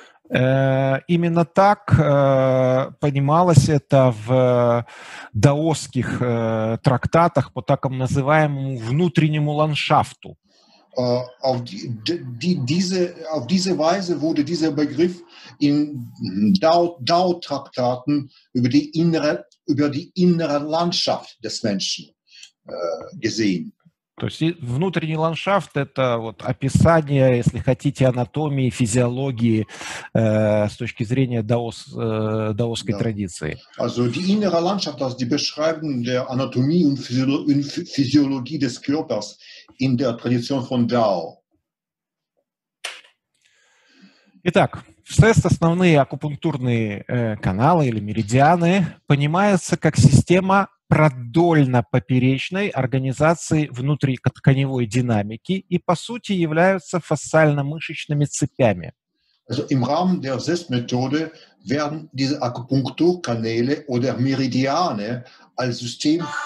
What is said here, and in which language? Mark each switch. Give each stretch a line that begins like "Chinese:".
Russian: Именно так понималось это в даосских трактатах по так называемому внутреннему ландшафту.
German: Auf diese Weise wurde dieser Begriff in Dao-Traktaten über die innere Landschaft des Menschen gesehen.
Russian: То есть внутренний ландшафт – это вот описание, если хотите, анатомии, физиологии с точки зрения даосской традиции.
German: Also die innere Landschaft, also die Beschreibung der Anatomie und Physiologie des Körpers in der Tradition von Dao.
Russian: Итак, все основные акупунктурные каналы или меридианы понимаются как система продольно-поперечной организации внутриканевой динамики и, по сути, являются фасциально-мышечными цепями.
German: Also im Rahmen der SES-Methode werden diese Akupunkturkanäle oder Meridiane als System